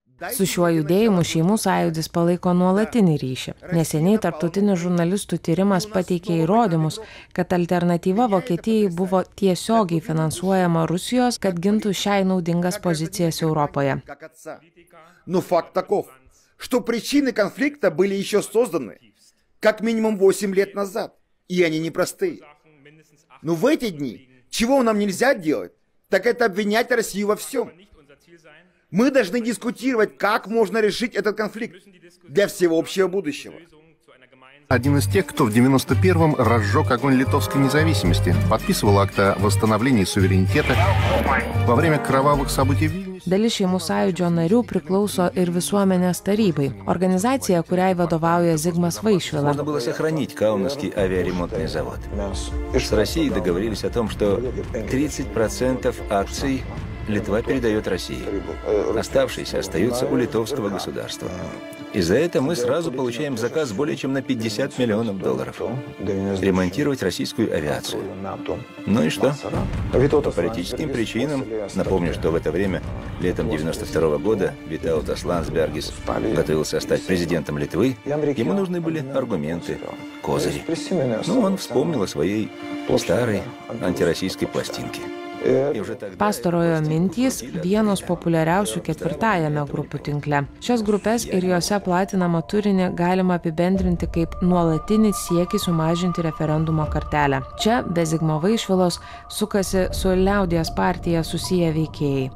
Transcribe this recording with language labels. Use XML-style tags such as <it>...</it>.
<lt>Su šiuo judėjimu šeimų sąjūdis palaiko nuolatinį ryšį. Neseniai tarptautinių žurnalistų tyrimas pateikė įrodymus, kad alternatyva Vokietijai buvo tiesiogiai finansuojama Rusijos, kad gintų šiai naudingas pozicijas Europoje.</lt> <ru>Ну факт таков, что причины конфликта были еще созданы как минимум 8 лет назад, и они непростые. Но в эти дни чего нам нельзя делать, так это обвинять Россию во всем. Мы должны дискутировать, как можно решить этот конфликт для всеобщего будущего. Один из тех, кто в 91-м разжег огонь литовской независимости, подписывал акт о восстановлении суверенитета во время кровавых событий в Вильнюсе.</ru> <lt>Далис шеймų сайюдзьо нарių priklauso ir visuomenės tarybai, organizacija, kuriai vadovauja Zigmas Vaišvila.</lt> <ru>Можно было сохранить Кауновский авиаремонтный завод. С Россией договорились о том, что 30% акций Литва передает России. Оставшиеся остаются у литовского государства. И за это мы сразу получаем заказ более чем на 50 миллионов долларов. Ремонтировать российскую авиацию. Ну и что? По политическим причинам, напомню, что в это время, летом 92 года, Витаутас Ландсбергис готовился стать президентом Литвы. Ему нужны были аргументы, козыри. Ну, он вспомнил о своей старой антироссийской пластинке.</ru> <lt>Pastarojo mintys vienos populiariausių ketvirtajame grupų tinkle. Šias grupės ir juose platinamą turinį galima apibendrinti kaip nuolatinį siekį sumažinti referendumo kartelę. Čia, be Zigmo Vaišvilos, sukasi su Liaudies partija susiję veikėjai.</lt>